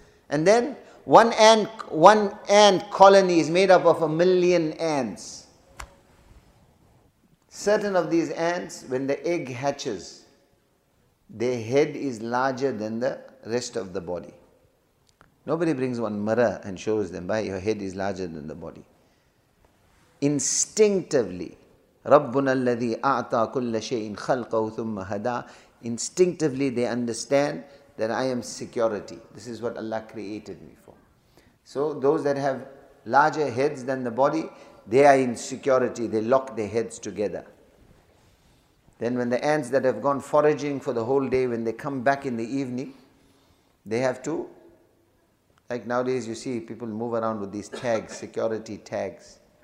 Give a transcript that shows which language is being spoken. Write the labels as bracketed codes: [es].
[en] And then one ant colony is made up of a million ants. Certain of these ants, when the egg hatches, their head is larger than the rest of the body. Nobody brings one mirror and shows them, bhai, your head is larger than the body. Instinctively, [ar] رَبُّنَا الَّذِي أَعْطَى كُلَّ شَيْءٍ خَلْقَهُ ثُمَّ هَدَى. [en] Instinctively, they understand that I am security. This is what Allah created me for. So those that have larger heads than the body, they are in security, they lock their heads together. Then when the ants that have gone foraging for the whole day, when they come back in the evening, they have to, like nowadays you see people move around with these tags, security tags.